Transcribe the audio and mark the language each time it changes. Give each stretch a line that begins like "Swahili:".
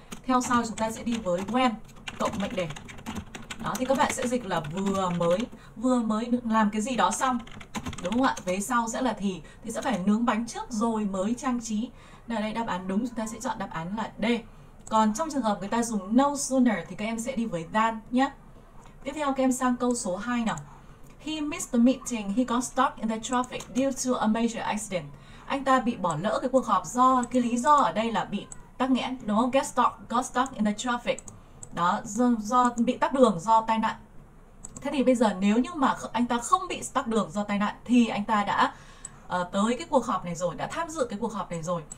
Vietnamese: Theo sau chúng ta sẽ đi với when cộng mệnh đề. Đó, thì các bạn sẽ dịch là vừa mới làm cái gì đó xong, đúng không ạ? Vế sau sẽ là thì sẽ phải nướng bánh trước rồi mới trang trí. Nên ở đây đáp án đúng, chúng ta sẽ chọn đáp án là D. Còn trong trường hợp người ta dùng no sooner thì các em sẽ đi với than nhé. Tiếp theo các em sang câu số 2 nào.
English: He missed the meeting, he got stuck in the traffic due to a major accident.
Vietnamese: Anh ta bị bỏ lỡ cái cuộc họp do cái lý do ở đây là bị tắc nghẽn, đúng không?
English: Got stuck in the traffic.
Vietnamese: Đó, do bị tắc đường, do tai nạn. Thế thì bây giờ nếu như mà anh ta không bị tắc đường do tai nạn thì anh ta đã tới cái cuộc họp này rồi, đã tham dự cái cuộc họp này rồi.